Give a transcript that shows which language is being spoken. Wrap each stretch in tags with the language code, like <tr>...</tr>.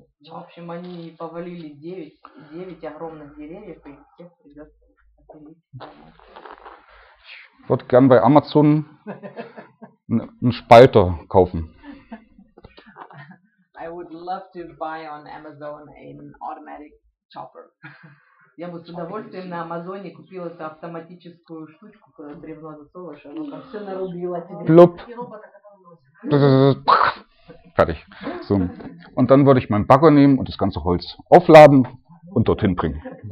<ru>В общем, они повалили 9 огромных деревьев, и всех придется отпилить.</ru> <de>Ich würde gern bei Amazon einen Spalter kaufen.</de> <en>I would love to buy on Amazon an automatic chopper.</en> <ru>Я бы с удовольствием на Амазоне купила эту автоматическую штучку, которую древно засовываешь, оно там все нарубило тебе. Плоп.</ru> <de>Fertig. So. Und dann würde ich meinen Bagger nehmen und das ganze Holz aufladen und dorthin bringen.</de>